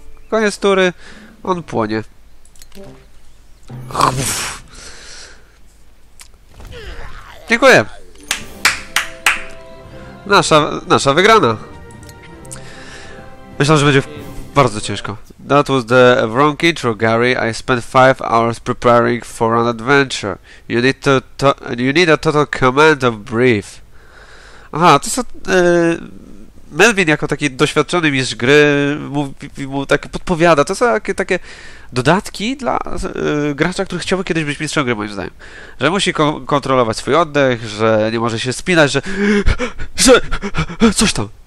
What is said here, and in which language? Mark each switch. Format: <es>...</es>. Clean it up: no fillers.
<pl>Koniec tury, on płonie. Dziękuję. Nasza wygrana. Myślę, że będzie bardzo ciężko.</pl> <en>That was the wrong intro, Gary. I spent 5 hours preparing for an adventure. You need a total command of brief.</en> <pl>Aha, to są... Melvin jako taki doświadczony mistrz gry mu tak podpowiada. To są takie dodatki dla gracza, który chciałby kiedyś być mistrzem gry, moim zdaniem. Że musi kontrolować swój oddech, że nie może się spinać, że coś tam.</pl>